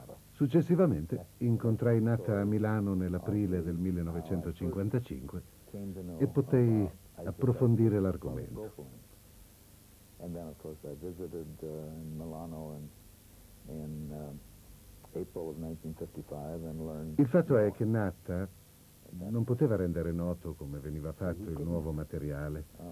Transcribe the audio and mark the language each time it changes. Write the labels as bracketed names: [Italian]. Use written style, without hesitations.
[Italian] Successivamente incontrai Natta a Milano nell'aprile del 1955 e potei approfondire l'argomento. [English] And then, of course, I visited Milano in April of 1955 and learned. [Italian] Il fatto è che Natta non poteva rendere noto come veniva fatto il nuovo materiale.